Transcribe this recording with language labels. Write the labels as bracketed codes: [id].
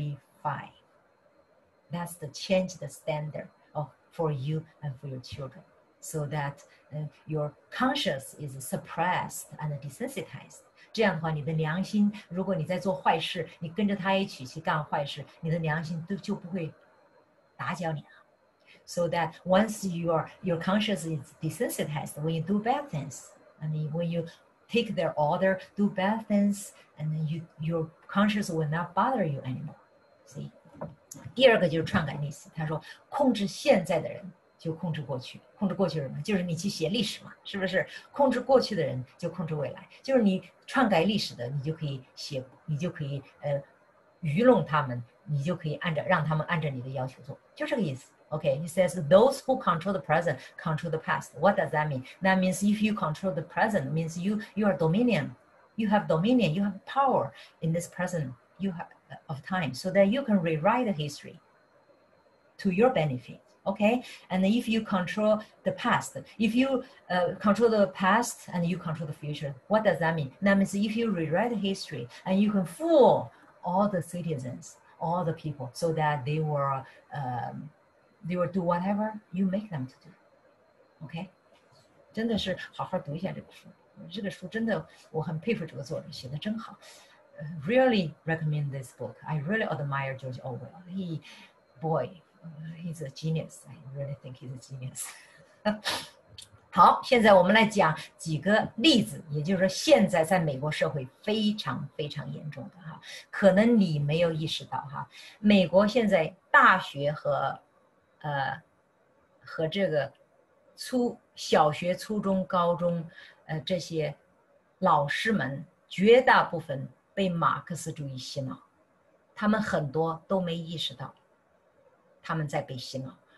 [en] 2+2 to be 5. That's the change the standard of for you and for your children, so that your conscience is suppressed and desensitized. [zh] 这样的话，你的良心，如果你在做坏事，你跟着他一起去干坏事，你的良心都就不会打搅你了。 [en] So that once your conscience is desensitized, when you do bad things, I mean when you take their order, do bad things. And then your conscience will not bother you anymore. [zh] See? 第二个就是篡改历史。他说控制现在的人就控制过去。控制过去是什么？就是你去写历史嘛，是不是？控制过去的人就控制未来。就是你篡改历史的，你就可以写，你就可以愚弄他们，你就可以让他们按照你的要求做。就这个意思。 [en] Okay, he says, those who control the present control the past. What does that mean? That means if you control the present, means you are dominion. You have dominion, you have power in this present of time, so that you can rewrite the history to your benefit. okay? And if you control the past, if you control the past and you control the future, what does that mean? That means if you rewrite history and you can fool all the citizens, all the people, so that they will do whatever you make them to do, okay? [zh] 真的是好好读一下这个书，这个书真的我很佩服这个作者，写得真好。 [en] Really recommend this book. I really admire George Orwell. He's a genius. I really think he's a genius. [zh] 好，现在我们来讲几个例子，也就是说现在在美国社会非常非常严重的哈，可能你没有意识到哈，美国现在大学和这个小学、初中、高中，这些老师们绝大部分被马克思主义洗脑，他们很多都没意识到他们在被洗脑。